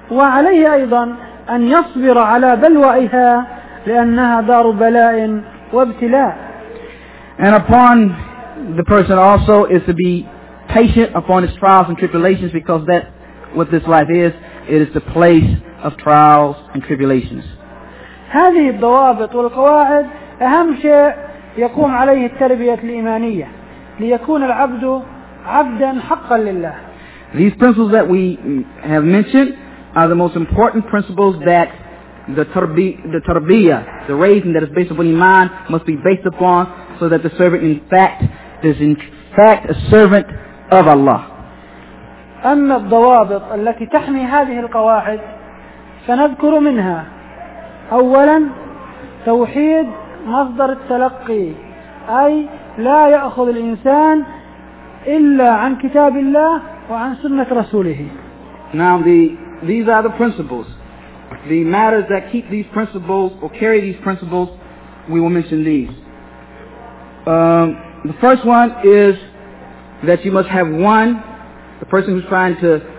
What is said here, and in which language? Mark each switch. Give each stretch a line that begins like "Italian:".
Arabic: وعليه أيضا أن يصبر على بلوائها لأنها دار بلاء وابتلاء.
English: And upon the person also is to be patient upon his trials and tribulations, because that what this life is, it is the place of trials and tribulations.
Arabic: هذه الضوابط والقواعد أهم شيء يقوم عليه التربية الإيمانية ليكون العبد عبدا حقا لله.
English: These principles that we have mentioned are the most important principles that the tarbiyah, the raising that is based upon iman, must be based upon, so that the servant in fact is in fact a servant of Allah.
Arabic: أما الضوابط التي تحمي هذه القواعد فنذكر منها أولا توحيد مصدر التلقي أي لا يأخذ الإنسان إلا عن كتاب الله وعن سنة رسوله.
English: Now these are the principles. The matters that keep these principles or carry these principles, we will mention these. The first one is that you must have one, the person who's trying to